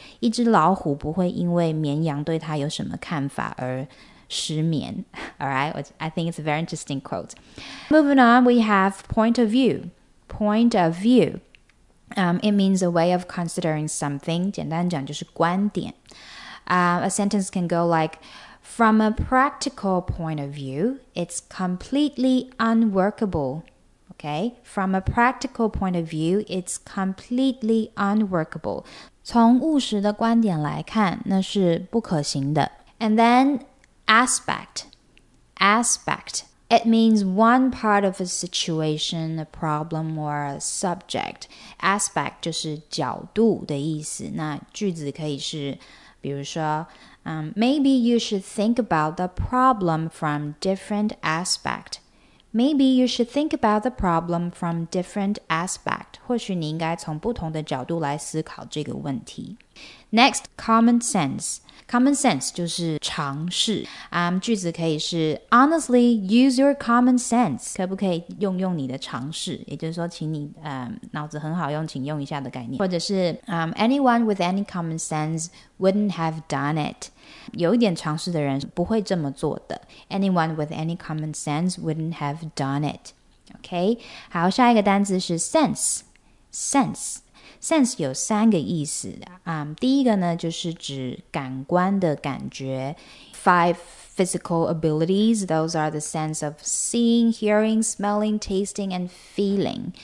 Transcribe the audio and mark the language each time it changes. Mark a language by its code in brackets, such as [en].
[zh] 一只老虎不会因为绵羊对它有什么看法而失眠。 [en] Alright, I think it's a very interesting quote. Moving on, we have point of view. Point of view. It means a way of considering something. [zh] 简单讲就是观点。 [en] A sentence can go like, From a practical point of view, it's completely unworkable. Okay, from a practical point of view, it's completely unworkable. [zh] 从务实的观点来看，那是不可行的。 [en] And then aspect. It means one part of a situation, a problem, or a subject. [zh] Aspect 就是角度的意思。那句子可以是，比如说 [en] maybe you should think about the problem from different aspect. Maybe you should think about the problem from different aspect. [zh] 或许你应该从不同的角度来思考这个问题。 [en] Next, common sense. Common sense [zh] 就是常识。句子可以是 [en] Honestly, use your common sense. [zh] 可不可以用你的常识？也就是说，请你脑子很好用，请用一下的概念。或者是 [en] Anyone with any common sense wouldn't have done it. [zh] 有一点常识的人不会这么做的。 [en] Anyone with any common sense wouldn't have done it. Okay? [zh] 好，下一个单字是 sense 有三个意思。第一个呢，就是指感官的感觉。 [en] Five physical abilities, those are the sense of seeing, hearing, smelling, tasting, and feeling.